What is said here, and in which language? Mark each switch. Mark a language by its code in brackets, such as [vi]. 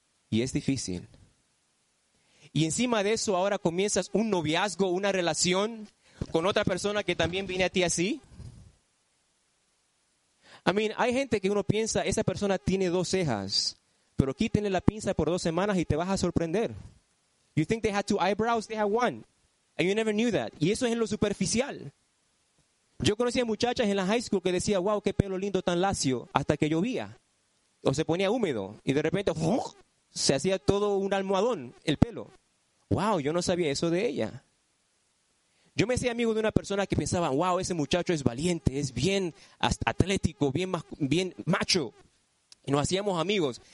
[es] Y es difícil. Y encima de eso, ahora comienzas un noviazgo, una relación con otra persona que también viene a ti así. Hay gente que uno piensa, esa persona tiene dos cejas, pero quítenle la pinza por dos semanas y te vas a sorprender. [en] You think they had two eyebrows, they had one. And you never knew that. [es] Y eso es en lo superficial. Yo conocía muchachas en la high school que decía, wow, qué pelo lindo, tan lacio, hasta que llovía. O se ponía húmedo. Y de repente, ¡fum!, se hacía todo un almohadón, el pelo. Wow, yo no sabía eso de ella. Yo me hacía amigo de una persona que pensaba, wow, ese muchacho es valiente, es bien atlético, bien macho. Y nos hacíamos amigos.